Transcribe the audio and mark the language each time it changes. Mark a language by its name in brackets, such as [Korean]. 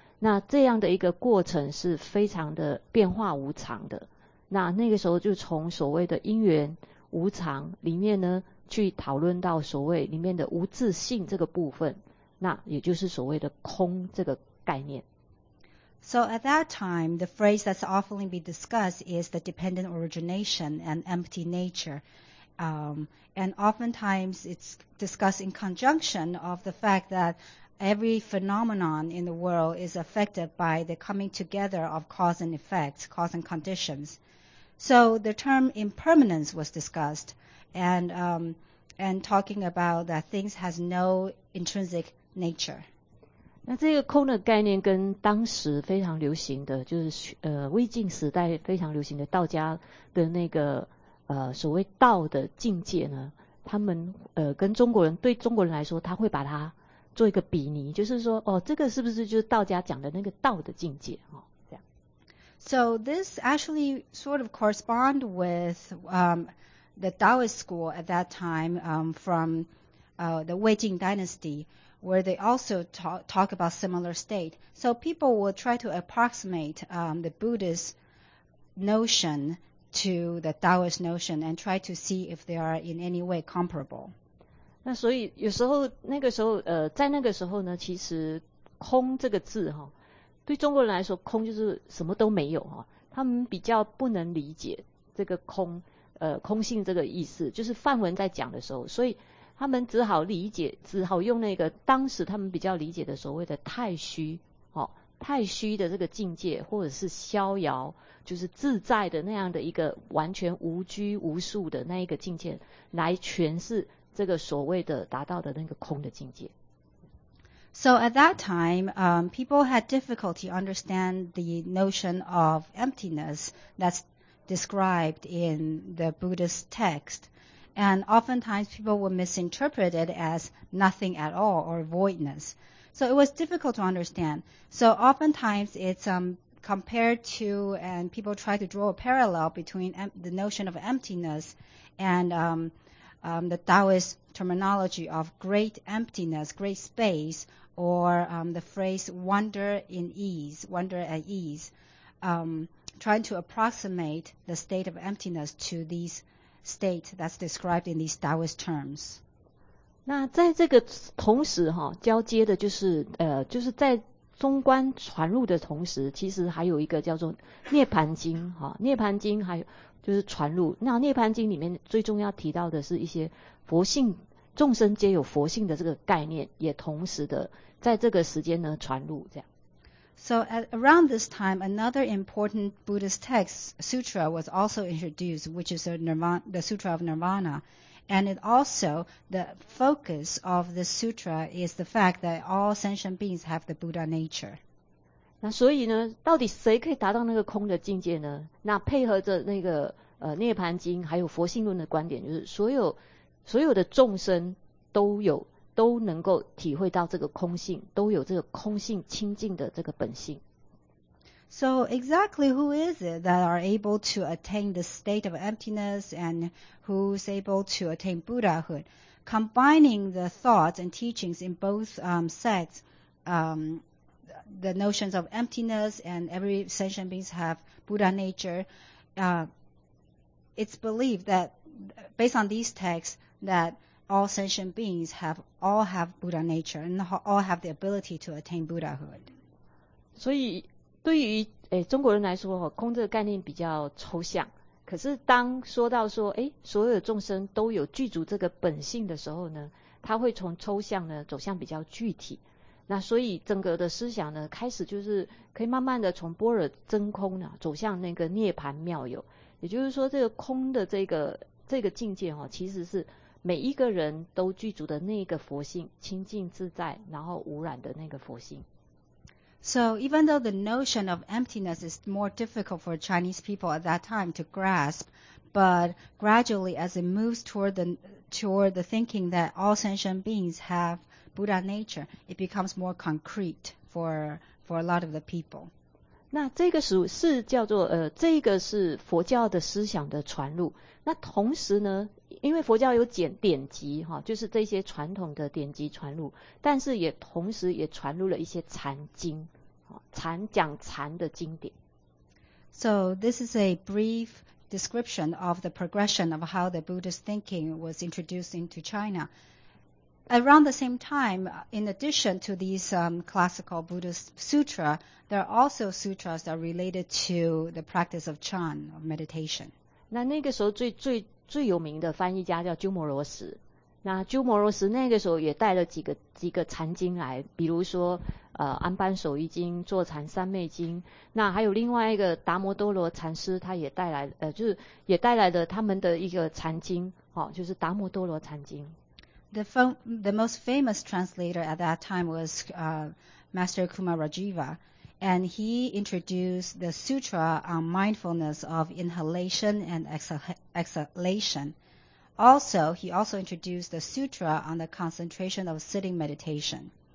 [Chinese] 那这样的一个过程是非常的变化无常的。那那个时候就从所谓的因缘无常里面呢，去讨论到所谓里面的无自性这个部分，那也就是所谓的空这个概念。 [English] So at that time, the phrase that's often being discussed is the dependent origination and empty nature. And oftentimes it's discussed in conjunction of the fact that every phenomenon in the world is affected by the coming together of cause and effect, cause and conditions. So the term impermanence was discussed and talking about that things has no intrinsic nature. [Chinese] 那这个空的概念跟当时非常流行的，就是魏晋时代非常流行的道家的那个所谓道的境界呢，他们跟中国人，对中国人来说，他会把它做一个比拟，就是说，哦，这个是不是就是道家讲的那个道的境界？哦，这样。 [English] So this actually sort of correspond with the Taoist school at that time from the Wei Jing Dynasty, where they also talk about similar state. So people will try to approximate the Buddhist notion to the Taoist notion and try to see if they are in any way comparable. [Chinese] 那所以有时候那个时候在那个时候呢，其实空这个字哈，对中国人来说，空就是什么都没有哈，他们比较不能理解这个空空性这个意思，就是梵文在讲的时候，所以他们只好理解，只好用那个当时他们比较理解的所谓的太虚，哦，太虚的这个境界，或者是逍遥，就是自在的那样的一个完全无拘无束的那一个境界，来诠释这个所谓的达到的那个空的境界。 [English] So at that time, people had difficulty understand the notion of emptiness that's described in the Buddhist text. And oftentimes people were misinterpreted as nothing at all or voidness. So it was difficult to understand. So oftentimes it's compared to, and people try to draw a parallel between the notion of emptiness and the Taoist terminology of great emptiness, great space, or the phrase wonder in ease, wonder at ease, trying to approximate the state of emptiness to theseState that's described in these Taoist terms. [Chinese] 那在这个同时哈，交接的就是就是在中观传入的同时，其实还有一个叫做涅槃经哈，涅槃经还有就是传入。那涅槃经里面最重要提到的是一些佛性，众生皆有佛性的这个概念，也同时的在这个时间呢传入这样。 [English] So at around this time, another important Buddhist text, Sutra, was also introduced, which is the Sutra of Nirvana. And it also, the focus of the Sutra is the fact that all sentient beings have the Buddha nature. [Chinese] 那所以呢，到底谁可以达到那个空的境界呢？那配合着那个涅槃经还有佛性论的观点，就是所有的众生都有都能够体会到这个空性，都有这个空性清净的这个本性。 [English] So exactly who is it that are able to attain the state of emptiness and who's able to attain Buddhahood? Combining the thoughts and teachings in both sects, the notions of emptiness and every sentient beings have Buddha nature, it's believed that based on these texts thatAll sentient beings all have Buddha nature and all have the ability to attain Buddhahood. [Chinese] 所以对于中国人来说，空这个概念比较抽象。可是当说到说所有的众生都有具足这个本性的时候呢，他会从抽象呢走向比较具体。那所以整个的思想呢，开始就是可以慢慢的从般若真空呢走向那个涅槃妙有。也就是说，这个空的这个境界哦，其实是每一个人都具足的那个佛性，清净自在，然后无染的那个佛性。 [English] So even though the notion of emptiness is more difficult for Chinese people at that time to grasp, but gradually as it moves toward the thinking that all sentient beings have Buddha nature, it becomes more concrete for a lot of the people. [Chinese] 那这个是叫做这个是佛教的思想的传入。那同时呢？因为佛教有典籍哈，就是这些传统的典籍传入，但是也同时也传入了一些禅经，禅讲禅的经典。 [English] So this is a brief description of the progression of how the Buddhist thinking was introduced into China. Around the same time, in addition to these classical Buddhist sutra, there are also sutras that are related to the practice of Chan of meditation. [Chinese] 那个时候最有名的翻译家叫鸠摩罗什，那鸠摩罗什那个时候也带了几个禅经来，比如说安般守一经、坐禅三昧经，那还有另外一个达摩多罗禅师，他也带来就是也带来了他们的一个禅经，就是达摩多罗禅经。 [English] The most famous translator at that time was Master Kumarajiva, And he introduced the sutra on mindfulness of inhalation and exhalation. Also, he also introduced the sutra on the concentration of sitting meditation.